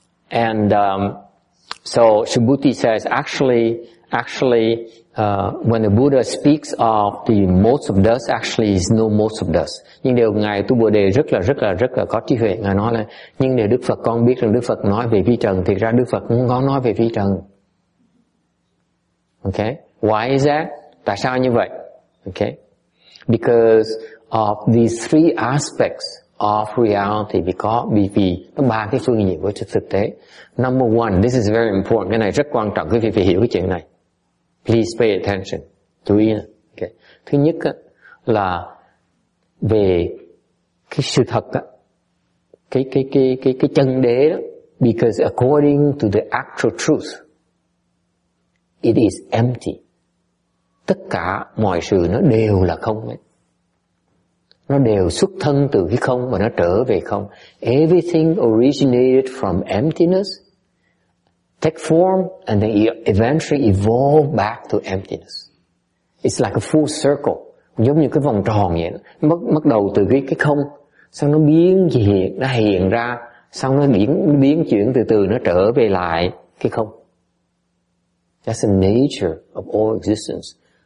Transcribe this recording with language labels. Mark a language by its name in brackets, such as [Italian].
[English] So Subhuti says, actually, when the Buddha speaks of the motes of dust, actually is no motes of dust. [Vietnamese] Nhưng điều Ngài Tu Bồ Đề rất là có trí huệ. Ngài nói là, nhưng điều Đức Phật con biết rằng Đức Phật nói về vi trần, thì ra Đức Phật cũng có nói về vi trần. [English] Okay, why is that? [Vietnamese] Tại sao như vậy? [English] Okay, because of these three aspects of reality. [Vietnamese] Because nó ba cái phương diện của thực tế. [English] Number one, this is very important. [Vietnamese] Cái này rất quan trọng. Quý vị phải hiểu cái chuyện này. [English] Please pay attention. [Vietnamese] Chú ý. Okay. Thứ nhất á, là về cái sự thật á, cái chân đế đó. [English] Because according to the actual truth, it is empty. [Vietnamese] Tất cả mọi sự nó đều là không ấy. Nó đều xuất thân từ cái không và nó trở về không. [English] Everything originated from emptiness, take form and then eventually evolve back to emptiness. It's like a full circle, [Vietnamese] giống như cái vòng tròn vậy. Bắt đầu từ cái không, xong nó biến hiện, nó hiện ra, xong nó biến chuyển từ từ nó trở về lại cái không. [English] That's the nature of all existence.